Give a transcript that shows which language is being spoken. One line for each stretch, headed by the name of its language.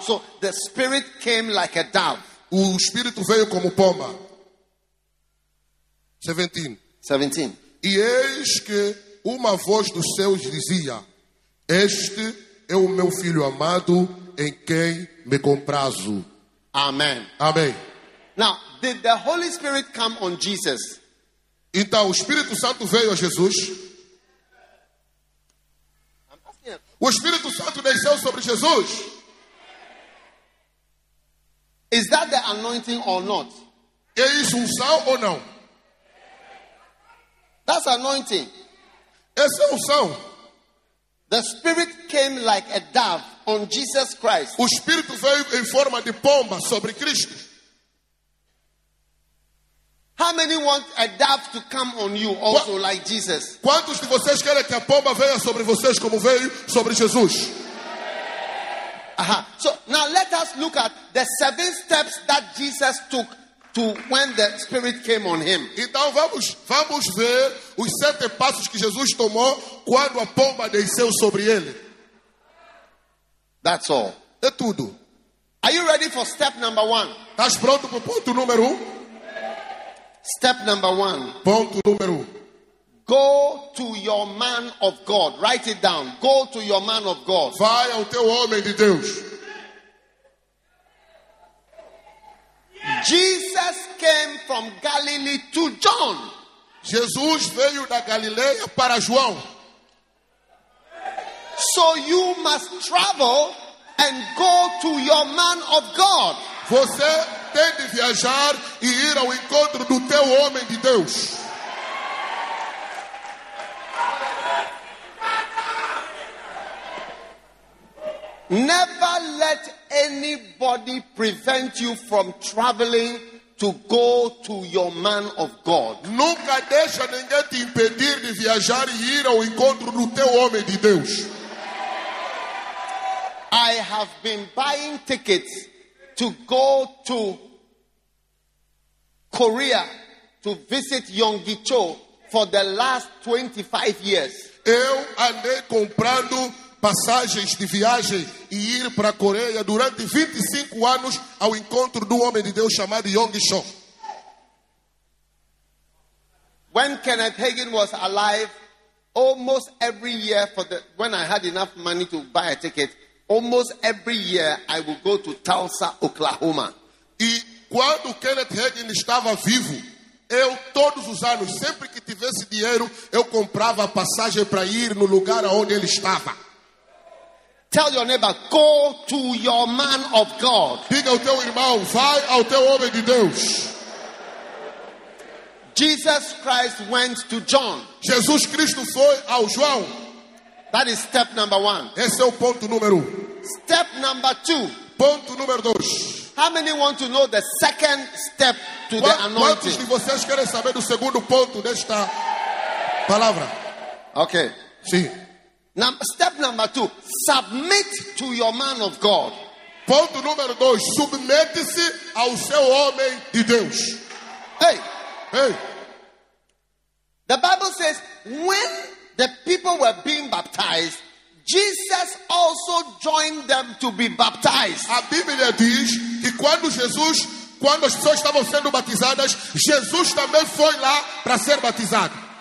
English: So the spirit came like a dove.
Portuguese: O espírito veio como pomba. 17. E eis que uma voz dos céus dizia: este é o meu filho amado em quem me comprazo.
English: Amen.
Portuguese: Amém.
English: Now, did the Holy Spirit come on Jesus?
Portuguese: Então, o Espírito Santo veio a Jesus. O Espírito Santo desceu sobre Jesus.
English: Is that the anointing or not?
Portuguese: É isso unção ou não?
English: That's anointing.
Portuguese: Essa é unção.
English: The Spirit came like a dove on Jesus Christ.
Portuguese: O Espírito veio em forma de pomba sobre Cristo.
English: How many want a dove to come on you also like Jesus?
Portuguese: Quantos de vocês querem que a pomba venha sobre vocês como veio sobre Jesus? Aha.
English: So now let us look at the seven steps that Jesus took to when the Spirit came on him.
Portuguese: Então vamos ver os sete passos que Jesus tomou quando a pomba desceu sobre ele.
English: That's all.
Portuguese: É tudo.
English: Are you ready for step number one?
Portuguese: Estás pronto para o ponto número um?
English: Step number one.
Portuguese: Ponto número um.
English: Go to your man of God. Write it down. Go to your man of God.
Portuguese: Vai ao teu homem de Deus.
English: Jesus came from Galilee to John.
Portuguese: Jesus veio da Galileia para João.
English: So you must travel and go to your man of God.
Portuguese: Você tem de viajar e ir ao encontro do teu homem de Deus.
English: Never let anybody prevent you from traveling to go to your man of God.
Portuguese: Nunca deixa ninguém te impedir de viajar e ir ao encontro do teu homem de Deus.
English: I have been buying tickets to go to Korea to visit Yonggi Cho for the last 25 years.
Portuguese: Eu andei comprando passagens de viagem e ir para a Coreia durante 25 anos ao encontro do homem de Deus chamado Yonggi Cho.
English: When Kenneth Hagin was alive, almost every year when I had enough money to buy a ticket, almost every year I would go to Tulsa, Oklahoma.
Portuguese: E quando Kenneth Hagin estava vivo, eu todos os anos, sempre que tivesse dinheiro, eu comprava passagem para ir no lugar onde ele estava.
English: Tell your neighbor, go to your man of God.
Portuguese: Diga ao teu irmão, vai ao teu homem de Deus.
English: Jesus Christ went to John.
Portuguese: Jesus Cristo foi ao João.
English: That is step number one.
Portuguese: Esse é o ponto número um.
English: Step number two.
Portuguese: Ponto número dois.
English: How many want to know the second step to the anointing?
Portuguese: Quantos de vocês querem saber do segundo ponto desta palavra?
English: Okay.
Portuguese: Sim.
English: Step number two. Submit to your man of God.
Portuguese: Ponto número dois. Submete-se ao seu homem de Deus. Hey. Hey.
English: The Bible says when the people were being baptized, Jesus also joined them to be baptized.
Portuguese: A Bíblia diz que quando as pessoas estavam sendo batizadas, Jesus também foi lá para ser batizado.